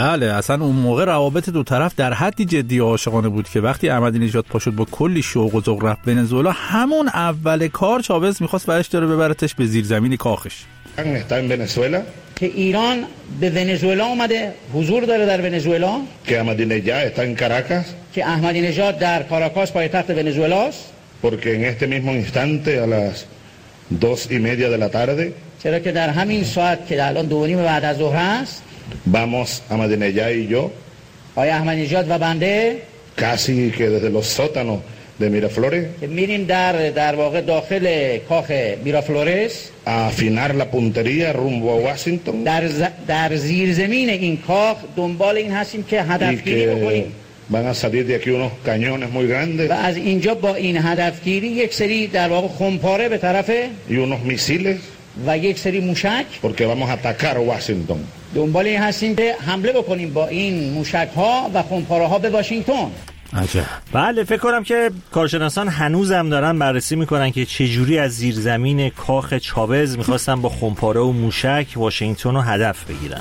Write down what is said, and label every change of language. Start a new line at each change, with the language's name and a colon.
Persian: بله اصلاً اون موقع روابط دو طرف در حدی جدی و عاشقانه بود که وقتی احمدی نژاد پاشد با کلی شوق و ذوق رفت ونزوئلا، همون اول کار چاوز می‌خواست برش داره ببرتش به زیر زمین کاخش. که ایران به ونزوئلا اومده، حضور داره در ونزوئلا، که احمدی نژاد است در کاراکاس، که احمدی نژاد در کاراکاس پایتخت ونزوئلا است،
Spanish: porque en este mismo instante a las 2:30 de la tarde،
Persian: چرا که در همین ساعت که الان 2:30 بعد از ظهر است،
Spanish: vamos احمدی نژاد y yo،
Persian: آیا احمدی نژاد و بنده،
Spanish: casi que desde los sótanos de Miraflores،
Persian: که میرین در واقع داخل کاخ میرافلورس،
Spanish: a afinar la puntería rumbo a Washington،
Persian: در زیر زمین این کاخ دنبال این هستیم که هدفگیری بکنیم.
Spanish: Van a salir de aquí unos cañones muy grandes،
Persian: و از اینجا با این هدفگیری یک سری در واقع خمپاره به طرف،
Spanish: y unos misiles،
Persian: و یک سری موشک،
Spanish: porque vamos a atacar Washington،
Persian: دنبال این هستیم که حمله بکنیم با این موشک ها و خمپاره ها به واشنگتن. عجب. بله فکر کنم که کارشناسان هنوزم دارن بررسی میکنن که چجوری از زیرزمین کاخ چاوز میخواستن با خمپاره و موشک واشنگتن رو هدف بگیرن